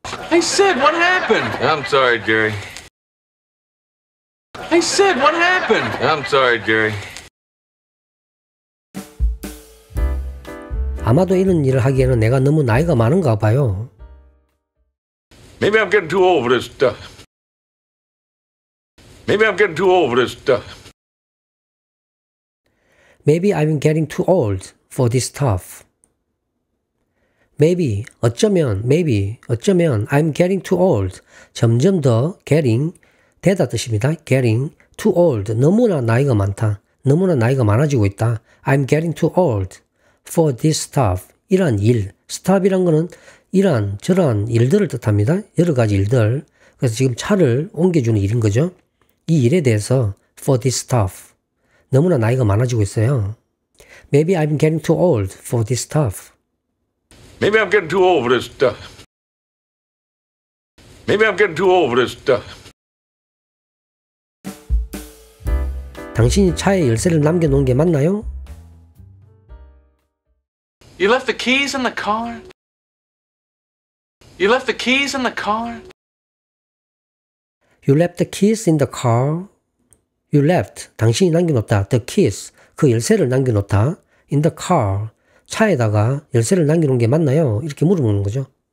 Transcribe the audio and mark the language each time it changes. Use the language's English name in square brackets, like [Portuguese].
[English] Hey Sid, what happened? I'm sorry, Jerry. Hey Sid, what happened? I'm sorry, Jerry. [Korean] 아마도 이런 일을 하기에는 내가 너무 나이가 많은가 봐요. [English] Maybe I'm getting too old for this stuff. Maybe I'm getting too old for this stuff. Maybe I'm getting too old for this stuff. Maybe, [Korean] 어쩌면, [English] maybe, 어쩌면, I'm getting too old. [Korean] 점점 더 getting, 되다 뜻입니다. [English] Getting too old. [Korean] 너무나 나이가 많다. 너무나 나이가 많아지고 있다. [English] I'm getting too old for this stuff. [Korean] 이런 일. Stuff이란 거는 이런 저런 일들을 뜻합니다. 여러 가지 일들. 그래서 지금 차를 옮겨주는 일인 거죠. 이 일에 대해서 [English] for this stuff. [Korean] 너무나 나이가 많아지고 있어요. [English] Maybe I'm getting too old for this stuff. Maybe I'm getting too old for this stuff. Maybe I'm getting too old for this stuff. [Korean] 당신이 차에 열쇠를 남겨놓은 게 맞나요? [English] You left the keys in the car? You left the keys in the car? You left the keys in the car? [Korean] You left, 당신이 남겨놓다, the keys, 그 열쇠를 남겨놓다, in the car, 차에다가 열쇠를 남겨놓은 게 맞나요? 이렇게 물어보는 거죠.